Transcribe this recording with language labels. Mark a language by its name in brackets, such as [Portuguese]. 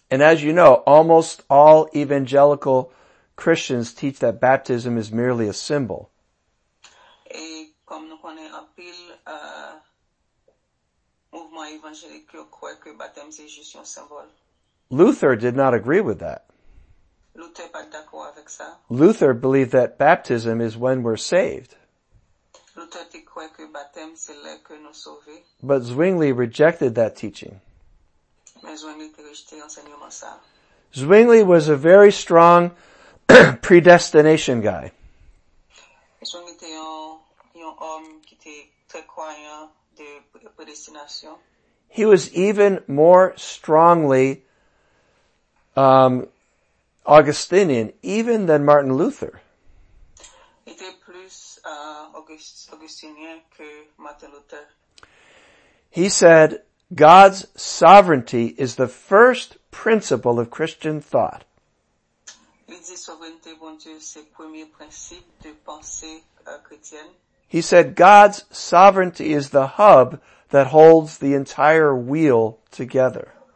[English] And as you know, almost all evangelical Christians teach that baptism is merely a symbol. [French] Et comme nous connaissons un pile, mouvement évangélique, je crois que baptême c'est juste un symbole. [English] Luther did not agree with that. [French] Luther, pas d'accord avec ça. [English] Luther believed that baptism is when we're saved. [French] Luther dit quoi que baptême c'est là que nous sauvés. [English] But Zwingli rejected that teaching. [French] Mais Zwingli a rejeté l'enseignement ça. [English] Zwingli was a very strong predestination guy. [French] Zwingli était un homme qui était très croyant de prédestination. [English] He was even more strongly Augustinian, even than Martin Luther. [French] Il était plus Augustinien que Martin Luther. [English] He said, God's sovereignty is the first principle of Christian thought. [French] Il dit, sovereignté, bon Dieu, c'est le premier principe de pensée chrétienne. [English] He said, God's sovereignty is the hub that holds the entire wheel together.